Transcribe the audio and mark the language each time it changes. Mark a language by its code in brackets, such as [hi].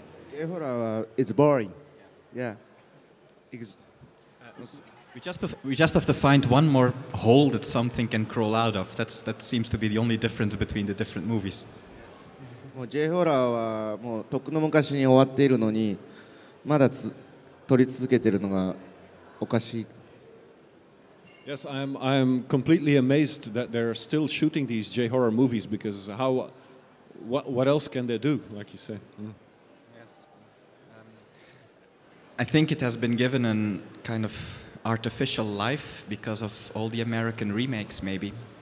[en] J horror is boring. Yeah. We just have to find one more hole that something can crawl out of. That seems to be the only difference between the different movies. [ja] J horror はもうとっくの昔に終わっているのにまだ撮り続けているのがおかしい。 [en] Yes, I am completely amazed that they're still shooting these J horror movies because what else can they do, like you say? Yes. I think it has been given a kind of artificial life because of all the American remakes, maybe.